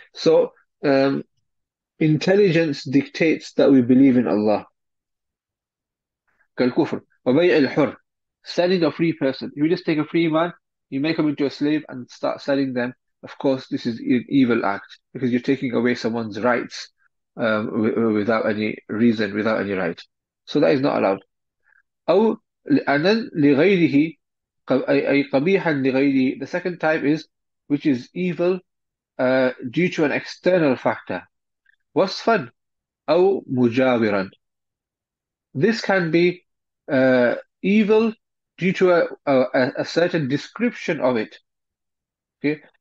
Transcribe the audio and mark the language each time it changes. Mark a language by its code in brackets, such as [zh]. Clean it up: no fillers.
[en] So intelligence dictates that we believe in Allah. [ar] Kal-kufr. Wabay' al-hur. [en] Selling a free person. If you just take a free man, you make him into a slave and start selling them. Of course, this is an evil act because you're taking away someone's rights without any reason, without any right. So that is not allowed. [ar] أو أنا لغيره أي قبيحا لغيره. [en] The second type is which is evil due to an external factor. [ar] وصفا أو مجاورا. [en] This can be evil due to a certain description of it. Okay.